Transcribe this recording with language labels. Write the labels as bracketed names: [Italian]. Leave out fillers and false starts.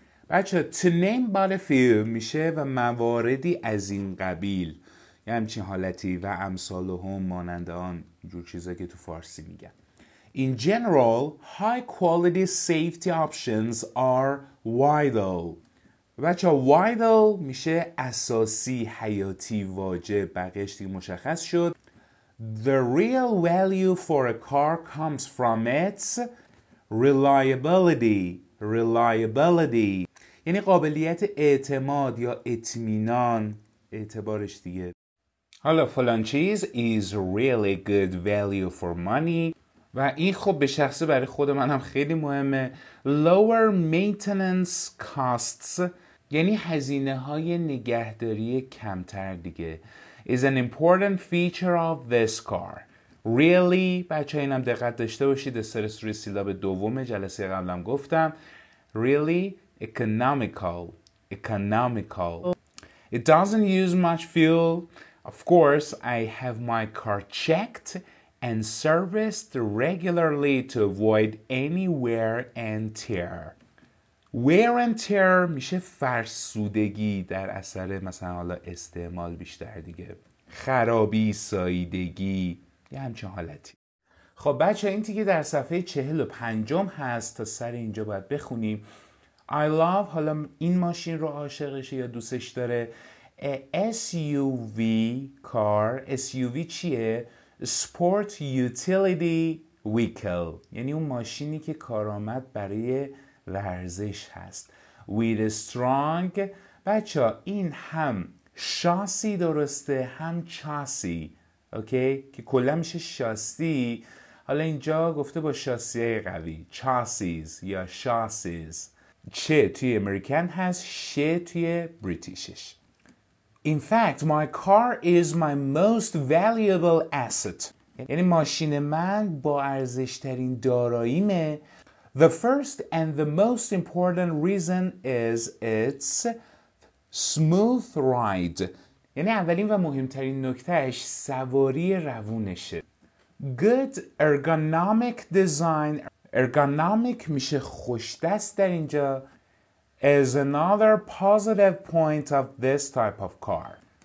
[Persian] بچه [English] to name but a few [Persian] میشه و مواردی از این قبیل، یا همچین حالتی و امثال و هم مانند آن جور چیزا که تو فارسی میگن. [English] In general, high-quality safety options are vital. [Persian] بچه vital میشه اساسی، حیاتی، واجب، بقیش دیگه مشخص شد. [English] The real value for a car comes from its reliability. [Persian] Reliability یعنی قابلیت اعتماد یا اطمینان، اعتبارش دیگه. حالا فلان چیز [English] is really good value for money، [Persian] و این خب به شخصه برای خود من هم خیلی مهمه. [English] Lower maintenance costs [Persian] یعنی هزینه های نگهداری کمتر دیگه. [English] Is an important feature of this car. [Persian] Really، بچه ها اینم دقت داشته باشید، استرس روی سیلاب دوم جلسه قبلم گفتم. [English] Really economical. Economical. It doesn't use much fuel. Of course I have my car checked and serviced regularly to avoid any wear and tear. Wear and tear [Persian] میشه فرسودگی در اثر مثلا حالا استعمال بیشتر دیگه، خرابی، ساییدگی، یه همچین حالتی. خب بچه این تیکه در صفحه 45 هست، تا سر اینجا باید بخونیم. [English] I love، [Persian] حالا این ماشین رو عاشقشه یا دوستش داره. [English] SUV car. [Persian] SUV چیه؟ [English] Sport Utility Vehicle [Persian] یعنی اون ماشینی که کارآمد برای ورزش هست. [English] With Strong، [Persian] بچه این هم شاسی درسته هم چاسی، اوکی؟ که کلا میشه شاسی، حالا اینجا گفته با شاسی قوی، چاسیز یا شاسیز. چه توی امریکن هست، شه توی بریتیشش. [English] In fact, my car is my most valuable asset. [Persian] یعنی ماشین من با ارزش‌ترین داراییمه. [English] The first and the most important reason is its smooth ride. [Persian] یعنی اولین و مهمترین نکتهش سواری روونشه. [English] Good ergonomic design. [Persian] Ergonomic میشه خوش‌دست در اینجا. [English] Is another positive point of this type of car.